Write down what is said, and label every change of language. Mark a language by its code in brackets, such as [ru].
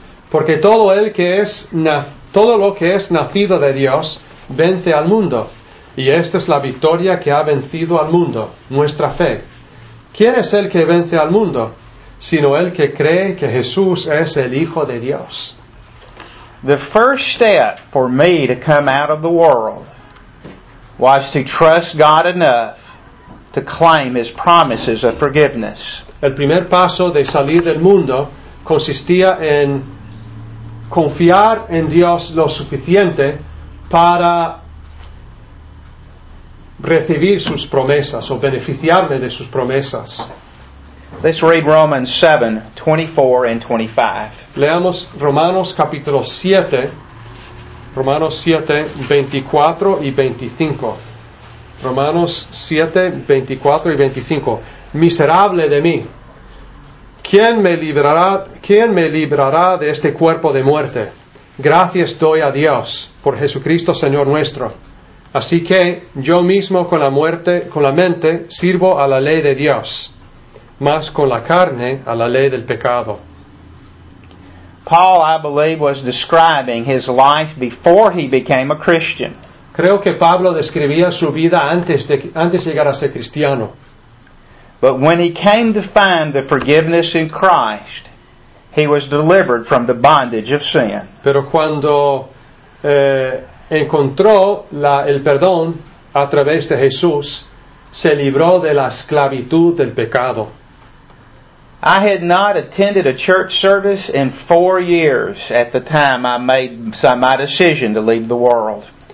[es] Porque todo lo que es nacido de Dios vence al mundo. Y esta es la victoria que ha vencido al mundo, nuestra fe. ¿Quién es el que vence al mundo? Sino el que cree que Jesús es el Hijo de Dios. [en] The first step for me to come out of the world was to trust God enough to claim His promises of forgiveness. [es] El primer paso de salir del mundo consistía en confiar en Dios lo suficiente para recibir sus promesas o beneficiarme de sus promesas. [en] Let's read Romans 7, 24 and 25. [es] Leamos Romanos capítulo 7, Romanos 7, 24 y 25. Romanos 7, 24 y 25. Miserable de mí. ¿Quién me librará de este cuerpo de muerte? Gracias doy a Dios por Jesucristo Señor nuestro. Así que yo mismo con la muerte, con la mente, sirvo a la ley de Dios, más con la carne a la ley del pecado. [en] Paul, I believe, was describing his life before he became a Christian. [es] Creo que Pablo describía su vida antes de llegar a ser cristiano. [en] But when he came to find the forgiveness in Christ, he was delivered from the bondage of sin. [es] Pero cuando encontró el perdón a través de Jesús, se libró de la esclavitud del pecado. [en] I had not attended a church service in 4 years at the time I made my decision to leave the world.